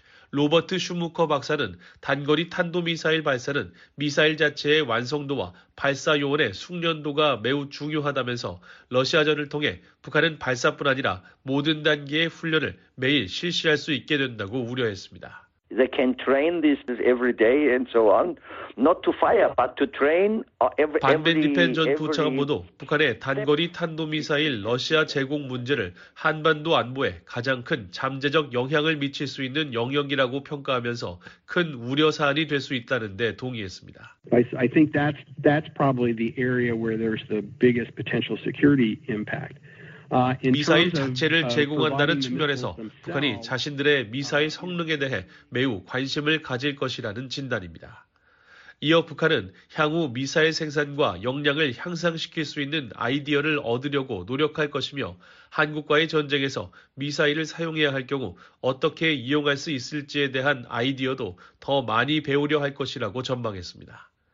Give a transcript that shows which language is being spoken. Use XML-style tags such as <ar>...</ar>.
<ko>로버트 슈무커 박사는 단거리 탄도미사일 발사는 미사일 자체의 완성도와 발사 요원의 숙련도가 매우 중요하다면서 러시아전을 통해 북한은 발사뿐 아니라 모든 단계의 훈련을 매일 실시할 수 있게 된다고 우려했습니다.</ko> <en>They can train this every day and so on, not to fire, but to train every.</en> <ko>반벤디펜 전 부차관보도 북한의 단거리 탄도미사일 러시아 제공 문제를 한반도 안보에 가장 큰 잠재적 영향을 미칠 수 있는 영역이라고 평가하면서 큰 우려 사안이 될 수 있다는 데 동의했습니다.</ko> <en>I think that's probably the area where there's the biggest potential security impact.</en> <ko>미사일 자체를 제공한다는 측면에서 북한이 자신들의 미사일 성능에 대해 매우 관심을 가질 것이라는 진단입니다. 이어 북한은 향후 미사일 생산과 역량을 향상시킬 수 있는 아이디어를 얻으려고 노력할 것이며 한국과의 전쟁에서 미사일을 사용해야 할 경우 어떻게 이용할 수 있을지에 대한 아이디어도 더 많이 배우려 할 것이라고 전망했습니다.</ko>